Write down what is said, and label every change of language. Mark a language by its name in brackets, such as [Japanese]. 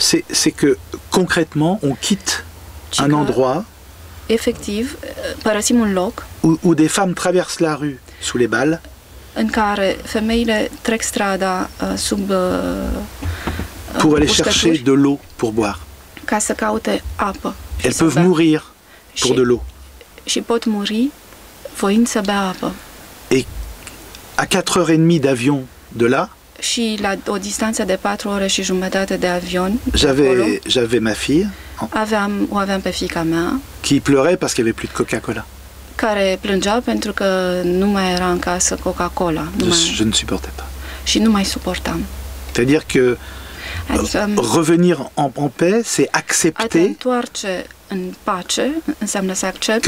[French] C'est que concrètement on quitte un endroit. [Romanian] Efectiv, părăsim un loc. [French] Où des femmes traversent la rue sous les balles. [Romanian] În care femeile trec strada sub [French] pour aller chercher de l'eau pour boire. [Romanian] Ca să caute apă. [French] Elles peuvent mourir pour de l'eau. [Romanian] Și pot muri voind să bea apă. [French] Et à 4h30 d'avion de là, [Romanian] și la o distanță de 4 ore și jumătate de avion, [French] j'avais ma fille. [Romanian] O aveam pe fiica mea. [French] Qui pleurait parce qu'il y avait plus de Coca-Cola. [Romanian] Care plângea pentru că nu mai era în casă Coca-Cola, [French] je ne supportais pas. [Romanian] Și nu mai suportam. [French] C'est-à-dire que revenir en paix, c'est accepter. [Romanian] Atentoarce în pace, înseamnă să accept